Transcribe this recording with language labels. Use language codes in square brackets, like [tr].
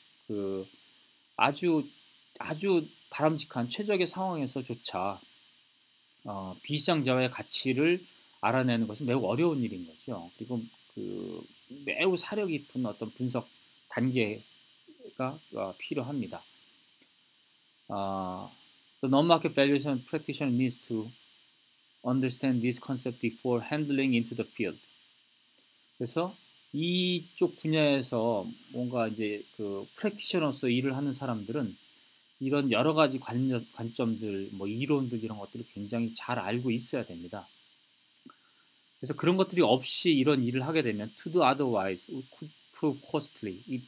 [ko] 그 아주 바람직한 최적의 상황에서조차 비시장 자원의 가치를 알아내는 것은 매우 어려운 일인 거죠. 그리고 그 매우 사려 깊은 어떤 분석 단계가 필요합니다. [en] The non-market valuation practitioner needs to understand this concept before handling into the field. [ko] 그래서 이쪽 분야에서 뭔가 이제 그 프랙티셔너로서 일을 하는 사람들은 이런 여러 가지 관점들, 뭐 이론들 이런 것들을 굉장히 잘 알고 있어야 됩니다. 그래서 그런 것들이 없이 이런 일을 하게 되면 [en] to do otherwise could prove costly.